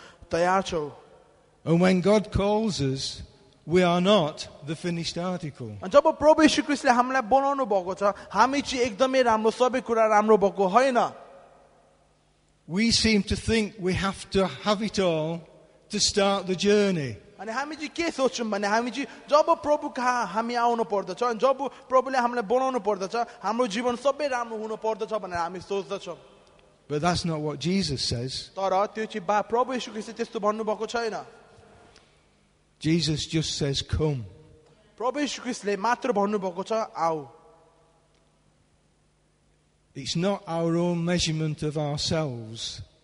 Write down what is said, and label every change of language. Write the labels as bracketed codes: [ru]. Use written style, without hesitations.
[en] when God calls us, we are not the finished article. [ne] अनि जब प्रभु यीशु क्राइस्टले हामीलाई बनाउनु भएको छ, हामी चाहिँ एकदमै राम्रो सबै कुरा राम्रो भएको होइन. [en] We seem to think we have to have it all to start the journey. [ne] अनि हामी चाहिँ के सोच्छौँ भने हामी चाहिँ जब प्रभु कहाँ हामी आउनु पर्दछ, अनि जब प्रभुले हामीलाई बनाउनु पर्दछ, हाम्रो जीवन सबै राम्रो हुनु पर्दछ भनेर हामी सोच्दछौँ. [en] But that's not what Jesus says. [ne] तर त्यो चाहिँ प्रभु यीशु क्राइस्टले त्यस्तो भन्नु भएको छैन. [en] Jesus just says, come. It's not our own measurement of ourselves.